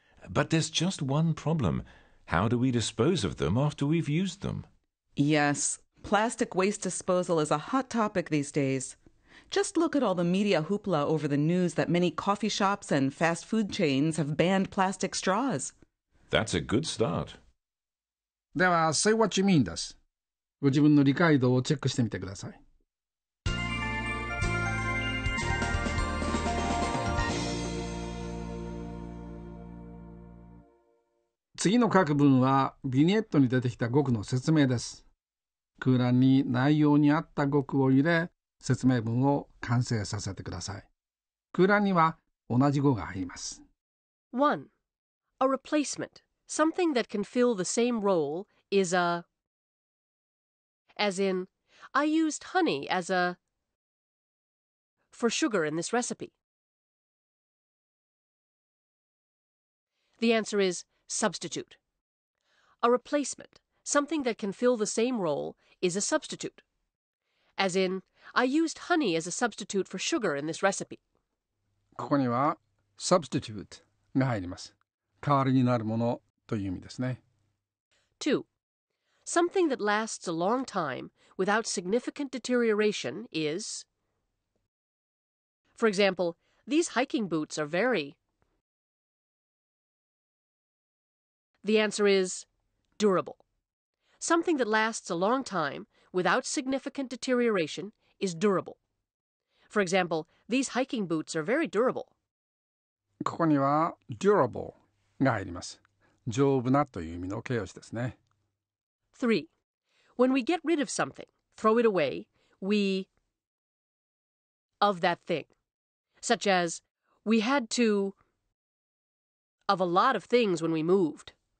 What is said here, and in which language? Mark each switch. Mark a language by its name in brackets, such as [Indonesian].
[English] But there's just one problem. How do we dispose of them after we've used them? Yes. Plastic waste disposal is a hot topic these days. Just look at all the media hoopla over the news that many coffee shops and fast food chains have banned plastic straws. That's a good start. [Japanese] では、Say What You Mean です。ご自分の理解度をチェックしてみてください。次の各文は、ビニエットに出てきた語句の説明です。空欄に内容に合った語句を入れ、説明文を完成させてください。空欄には同じ語が入ります。 [English] 1. A replacement. Something that can fill the same role is a... As in, I used honey as a... For sugar in this recipe. The answer is substitute. A replacement. Something that can fill the same role is a substitute. As in, I used honey as a substitute for sugar in this recipe. [Japanese] ここには substitute が入ります。代わりになるものという意味ですね。 [English] 2. Something that lasts a long time without significant deterioration is... For example, these hiking boots are very... The answer is durable. Something that lasts a long time without significant deterioration is durable. For example, these hiking boots are very durable. [Japanese] ここには durable が入ります。丈夫なという意味の形容詞ですね。 [English] 3. When we get rid of something, throw it away, we... of that thing. Such as, we had to... of a lot of things when we moved.